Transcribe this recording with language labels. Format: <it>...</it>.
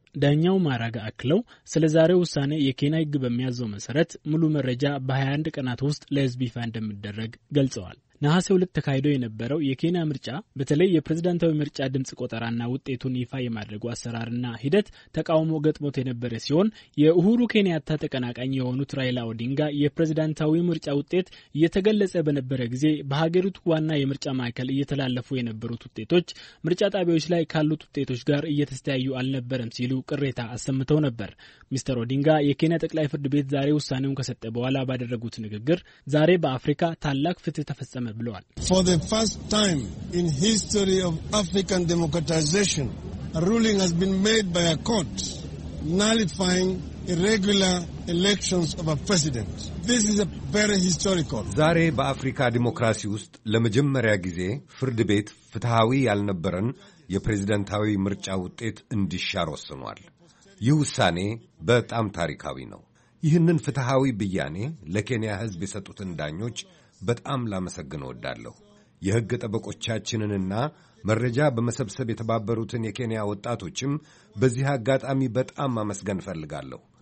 <am>ዳኛው ማራጋ አክለው ስለዛሬው ውሳኔ የኬንያ ህግ በሚያዘው መሰረት ሙሉ መረጃ በ21 ቀናት ውስጥ ለህዝብ ይፋ እንደሚደረግ ገልጸዋል። ነሐሴ 2 ተካሂዶ የነበረው የኬንያ ምርጫ በተለይ የፕሬዝዳንታዊ ምርጫ ድምጽ ቆጠራና ውጤቱን ይፋ የማድረጉ አሰራርና ሂደት ተቃውሞ ገጥሞት የነበረ ሲሆን የኡሁሩ ኬንያታ ተቀናቃኝ የሆኑት ራይላ ኦዲንጋ የፕሬዝዳንታዊ ምርጫ ውጤት እየተገለጸ በነበረ ጊዜ በሀገሪቱ ዋና የምርጫ ማዕከል እየተላለፉ የነበሩት ውጤቶች ምርጫ ጣቢያዎች ላይ ካሉት ውጤቶች ጋር እየተስተያዩ አልነበረም ሲሉ ቅሬታ አሰምተው ነበር። ሚስተር ኦዲንጋ የኬንያ ጠቅላይ ፍርድ ቤት ዛሬ ውሳኔውን ከሰጠ በኋላ ባደረጉት ንግግር ዛሬ በአፍሪካ ታላቅ ፍትህ ተፈጸመ</am> <en>For the first time in history of African democratization, a ruling has been made by a court nullifying irregular elections of a president. This is a very historical.</en> <am>ዛሬ በአፍሪካ ዲሞክራሲ ውስጥ ለመጀመሪያ ጊዜ ፍርድ ቤት ፍትሃዊ ያልነበረን የፕሬዝዳንታዊ ምርጫ ውጤት እንዲሻር ወስኗል። ይህ ውሳኔ በጣም ታሪካዊ ነው። ይህንን ፍትሃዊ ብያኔ ለኬንያ ሕዝብ የሰጡትን ዳኞች በጣም ላመሰግን ወዳለሁ። የሕግ ጠበቆቻችንንና መረጃ በመሰብሰብ የተባበሩትን የኬንያ ወጣቶችም በዚህ አጋጣሚ በጣም አመስገን ፈልጋለሁ።</am>